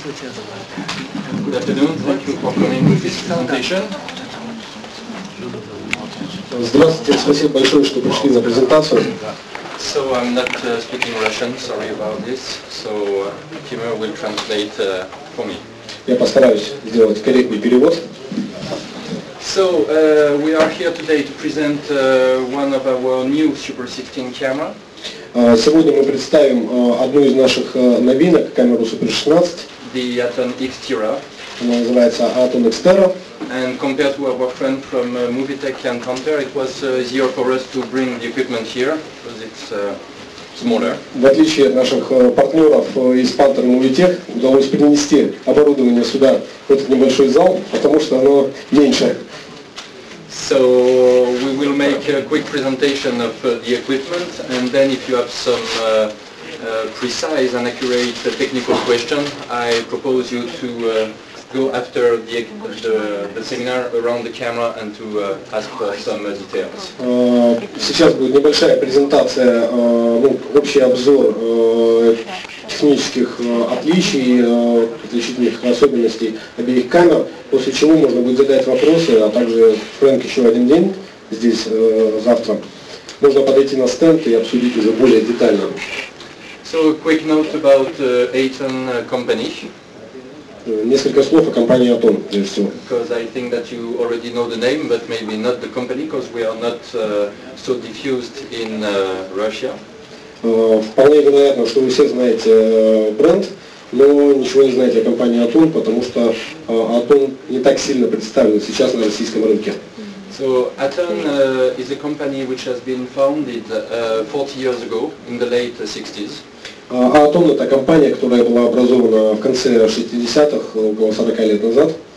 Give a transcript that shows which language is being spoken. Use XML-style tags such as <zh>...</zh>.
<en>Good afternoon, thank you for coming to this presentation.</en> <ru>Здравствуйте, спасибо большое, что пришли на презентацию.</ru> <en>So I'm not speaking Russian, sorry about this. So Тимур will translate for me.</en> <ru>Я постараюсь сделать корректный перевод.</ru> <en>So we are here today to present one of our new Super 16 camera.</en> <ru>Сегодня мы представим одну из наших новинок, камеру Super 16.</ru> <en>The Aton X-Tera.</en> <ru>Она называется Aton X-Tera.</ru> <en>And compared to our friend from Movitech and Canter, it was easier for us to bring the equipment here, because it's smaller.</en> <ru>В отличие от наших партнеров из Panther и Movitech, удалось принести оборудование сюда, в этот небольшой зал, потому что оно меньше.</ru> <en>So we will make a quick presentation of the equipment, and then if you have some precise and accurate technical question, I propose you to go after the seminar around the camera and to ask for some details.</en> <ru>Сейчас будет небольшая презентация, общий обзор технических отличий, отличительных особенностей обеих камер, после чего можно будет задать вопросы, а также Фрэнк еще один день здесь завтра. Можно подойти на стенд и обсудить уже более детально.</ru> <en>So a quick note about Aton company.</en> <ru>Несколько слов о компании Aton, прежде всего.</ru> <en>Because I think that you already know the name, but maybe not the company, because we are not so diffused in Russia.</en> <ru>Вполне вероятно, что вы все знаете бренд, но ничего не знаете о компании Aton, потому что Aton не так сильно представлен сейчас на российском рынке.</ru> <en>So Aton is a company which has been founded 40 years ago, in the late 60s.</en> <ru>Aton это компания, которая была образована в конце 60-х, около 40 лет назад.</ru>